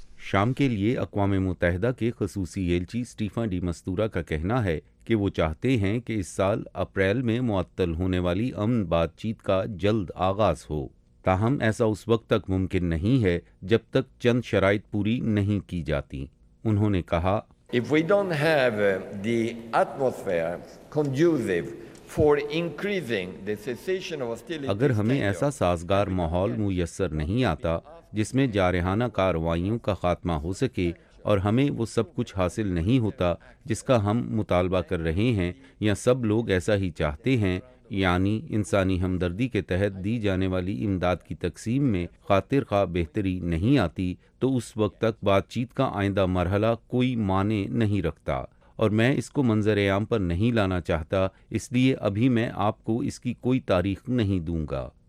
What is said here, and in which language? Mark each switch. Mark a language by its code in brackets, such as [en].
[ur] شام کے لیے اقوام متحدہ کے خصوصی ایلچی اسٹیفان ڈی مستورہ کا کہنا ہے کہ وہ چاہتے ہیں کہ اس سال اپریل میں معطل ہونے والی امن بات چیت کا جلد آغاز ہو، تاہم ایسا اس وقت تک ممکن نہیں ہے جب تک چند شرائط پوری نہیں کی جاتی۔ انہوں نے کہا، [en] If we don't have the atmosphere conducive for increasing the cessation of hostilities, [ur] اگر ہمیں ایسا سازگار ماحول میسر نہیں آتا جس میں جارحانہ کارروائیوں کا خاتمہ ہو سکے اور ہمیں وہ سب کچھ حاصل نہیں ہوتا جس کا ہم مطالبہ کر رہے ہیں یا سب لوگ ایسا ہی چاہتے ہیں، یعنی انسانی ہمدردی کے تحت دی جانے والی امداد کی تقسیم میں خاطر خواہ بہتری نہیں آتی، تو اس وقت تک بات چیت کا آئندہ مرحلہ کوئی معنی نہیں رکھتا، اور میں اس کو منظر عام پر نہیں لانا چاہتا، اس لیے ابھی میں آپ کو اس کی کوئی تاریخ نہیں دوں گا۔